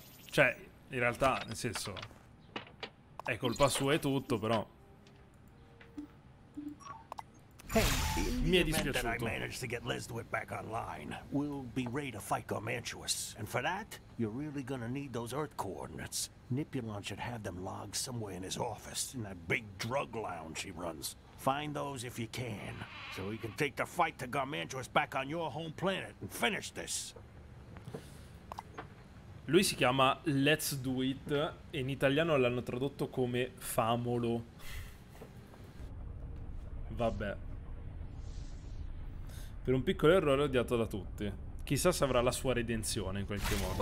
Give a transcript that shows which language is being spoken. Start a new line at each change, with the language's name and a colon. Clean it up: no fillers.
Italian: Cioè, in realtà, nel senso, è colpa sua e tutto, però. Mi è dispiaciuto.
English: That I managed to get LEZDUIT back online. We'll be ready to fight Garmantuous. And for that, you're really gonna need those Earth coordinates. Nipulon should have them logged somewhere in his office, in that big drug lounge he runs. Find those if you can, so we can take the fight to Garmantuous back on your home planet and finish this.
Italian: Lui si chiama LEZDUIT e in italiano l'hanno tradotto come famolo. Vabbè. Per un piccolo errore odiato da tutti. Chissà se avrà la sua redenzione in qualche modo.